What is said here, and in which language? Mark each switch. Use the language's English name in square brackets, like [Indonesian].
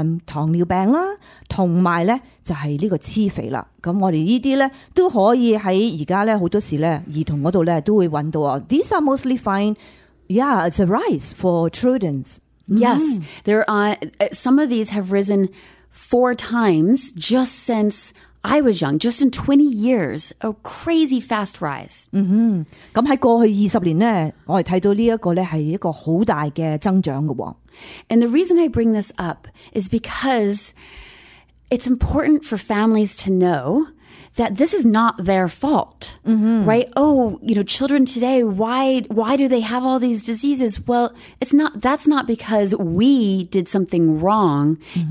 [Cantonese] 糖尿病啦同埋呢就係呢個黐肥啦咁我哋呢啲呢都可以喺而家呢好多時呢兒童嗰度呢都會揾到。 [English] These are mostly fine. Yeah, it's a rise for children. Yes, there are, some of these have risen 4 times just since I was young, just in 20 years. A crazy fast rise. [Cantonese] 咁喺過去20年呢我哋睇到呢一個呢係一個好大嘅增長㗎喎。 [English] And the reason I bring this up is because it's important for families to know that this is not their fault, mm-hmm. right? Oh, you know, children today, why do they have all these diseases? Well, that's not because we did something wrong. Mm-hmm.